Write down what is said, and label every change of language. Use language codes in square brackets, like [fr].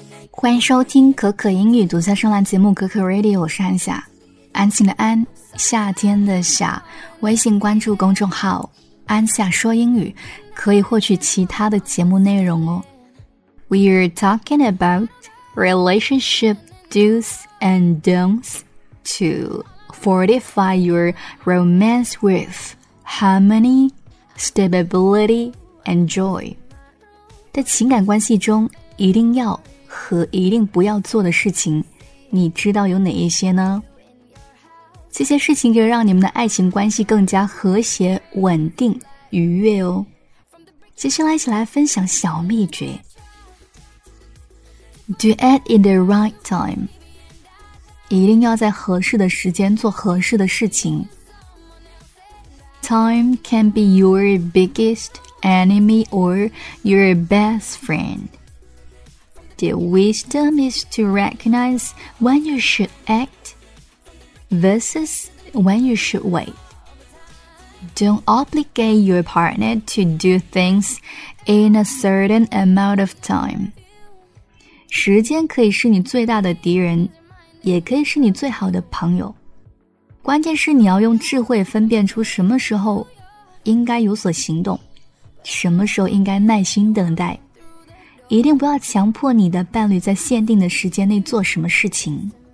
[zh] 欢迎收听可可英语独家专栏节目可可 Radio， 我是安夏，安静的安，夏天的夏。微信关注公众号安夏说英语，可以获取其他的节目内容哦。 [en] We're talking about relationship do's and don'ts to fortify your romance with harmony, stability and joy。 [zh] 在情感关系中一定要和一定不要做的事情，你知道有哪一些呢？这些事情可以让你们的爱情关系更加和谐、稳定、愉悦哦。接下来一起来分享小秘诀。 [en] Do it in the right time， [zh] 一定要在合适的时间做合适的事情。 [en] Time can be your biggest enemy or your best friend。 The wisdom is to recognize when you should act versus when you should wait. Don't obligate your partner to do things in a certain amount of time. [zh] 时间可以是你最大的敌人，也可以是你最好的朋友。关键是你要用智慧分辨出什么时候应该有所行动，什么时候应该耐心等待。一定不要强迫你的伴侣在限定的时间内做什么事情。